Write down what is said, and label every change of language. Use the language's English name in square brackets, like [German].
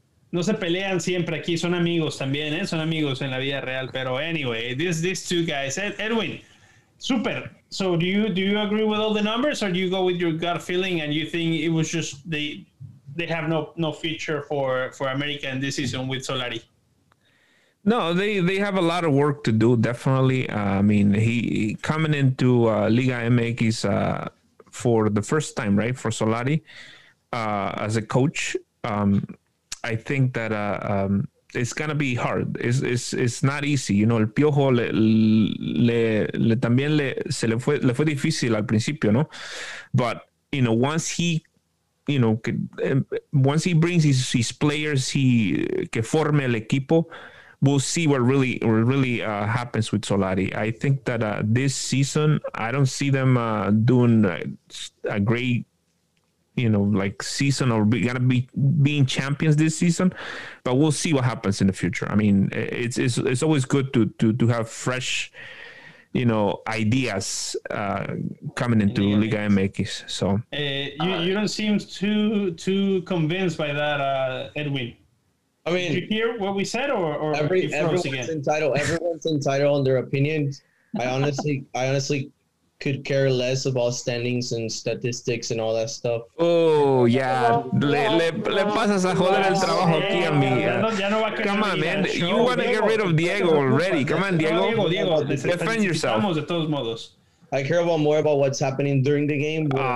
[Spanish] No se pelean siempre aquí, son amigos también, ¿eh? Son amigos en la vida real. Pero [English] anyway, these two guys. Edwin, super. So do you agree with all the numbers, or do you go with your gut feeling and you think it was just they have no future for America in this season with Solari? No, they have a lot of work to do, definitely. I mean, he coming into Liga MX for the first time, right, for Solari as a coach. I think that it's gonna be hard. It's not easy, you know. [Spanish] El Piojo le fue difícil al principio, no. [English] But you know, once he brings his players, he [Spanish] que forme el equipo, [English] we'll see what really happens with Solari. I think that this season, I don't see them doing a great, you know, like season, or being champions this season, but we'll see what happens in the future. I mean, it's always good to have fresh, you know, ideas coming into Liga MX. So you don't seem too convinced by that, Edwin. I mean, did you hear what we said, or everyone's entitled on their opinions. I honestly could care less about standings and statistics and all that stuff. Oh, yeah. [Spanish] Le pasas a joder el trabajo aquí, amiga. [English] Come on, man. You want to get rid of Diego already. Come on, Diego. Defend yourself. I care about more about what's happening during the game.